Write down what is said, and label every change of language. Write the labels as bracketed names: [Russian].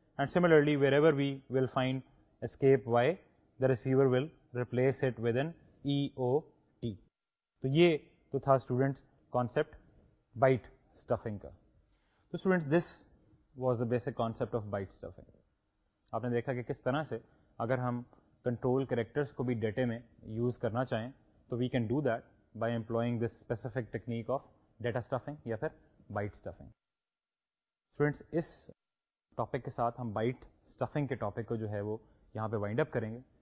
[English] And similarly, wherever we will find escape Y, the receiver will replace it with an EOT. So, this was the student's concept, byte stuffing. So, students, this was the basic concept of byte stuffing. [Urdu] آپ نے دیکھا کہ کس طرح سے اگر ہم control characters کو بھی ڈیٹے میں یوز کرنا چاہیں تو [English] we can do that by employing this specific technique of data stuffing [Urdu] یا پھر بائٹ اسٹفنگ. اسٹوڈینٹس, اس ٹاپک کے ساتھ ہم بائٹ اسٹفنگ کے ٹاپک کو جو ہے وہ یہاں پہ وائنڈ اپ کریں گے.